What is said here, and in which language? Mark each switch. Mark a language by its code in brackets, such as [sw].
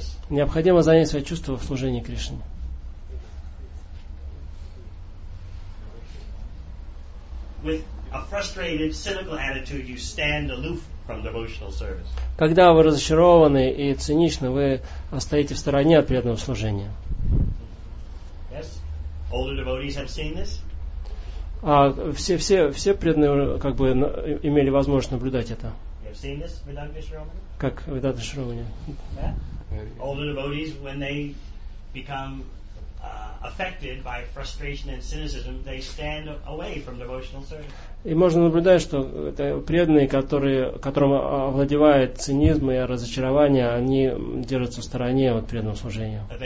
[ru] Необходимо занять свои чувства в служении Кришне. [en] With a frustrated, cynical attitude, you stand aloof from devotional service. [ru] Когда вы разочарованы и циничны, вы стоите в стороне от преданного служения. [en] Older devotees have seen this. [ru] Все преданные как бы имели возможность наблюдать это. [en] You've seen this, Vedanta Shiromani? [ru] Как Vedanta Shiromani? [en] Yeah. Older devotees, when they become affected by frustration and cynicism, they stand away from devotional service. [ru] И можно наблюдать, что это преданные, которым овладевает цинизм и разочарование, они держатся в стороне от преданного служения.